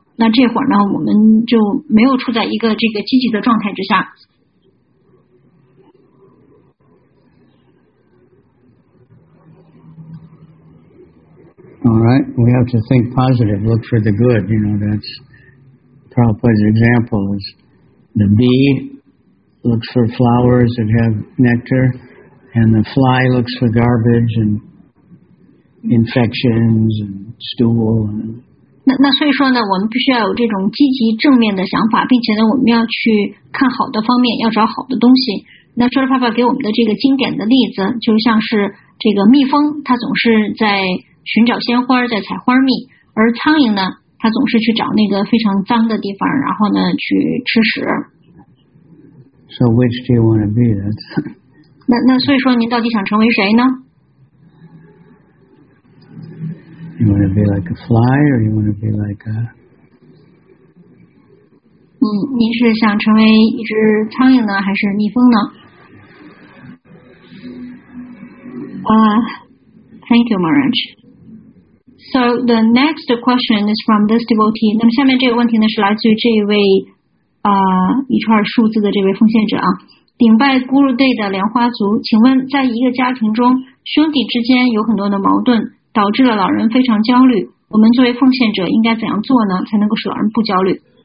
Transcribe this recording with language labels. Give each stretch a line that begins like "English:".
Chinese: 那这会儿呢，我们就没有处在一个这个积极的状态之下。
English: All right, we have to think positive, look for the good. That's Prabhupada's example is. The bee looks for flowers that have nectar, and the fly looks for garbage and infections and stool.
Chinese: 那所以说呢，我们必须要有这种积极正面的想法，并且呢，我们要去看好的方面，要找好的东西。那说说爸爸给我们的这个经典的例子，就像是这个蜜蜂，它总是在寻找鲜花，在采花蜜，而苍蝇呢？他总是去找那个非常脏的地方，然后呢去吃屎。
English: So which do you want to be? That's...
Chinese: 那所以说您到底想成为谁呢？
English: You want to be like a fly, or you want to be like a...
Chinese: 您是想成为一只苍蝇呢，还是蜜蜂呢？
English: Thank you, Maharaj. So the next question is from this devotee.
Chinese: 那么下面这个问题呢是来自于这一位一串数字的这位奉献者啊，顶拜 Guru Day 的莲花族，请问在一个家庭中，兄弟之间有很多的矛盾，导致了老人非常焦虑。我们作为奉献者应该怎样做呢，才能够使老人不焦虑？